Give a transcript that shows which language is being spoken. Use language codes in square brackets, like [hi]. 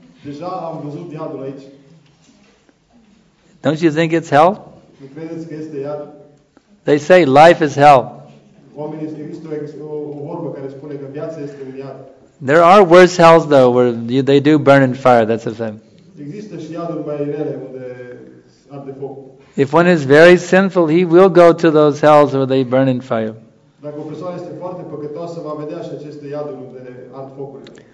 [ro] Deja am văzut iadul aici. [en] Don't you think it's hell? [ro] Nu credeți că este iad? [en] They say life is hell. [ro] Oamenii au zis o vorbă care spune că viața este un iad. [en] There are worse hells though, where they do burn in fire. That's a thing. [ro] Există și iaduri mai rele unde arde foc. [en] If one is very sinful, he will go to those hells where they burn in fire. [ro] Dacă o persoană este foarte păcătoasă, va vedea și aceste iaduri unde ard focurile.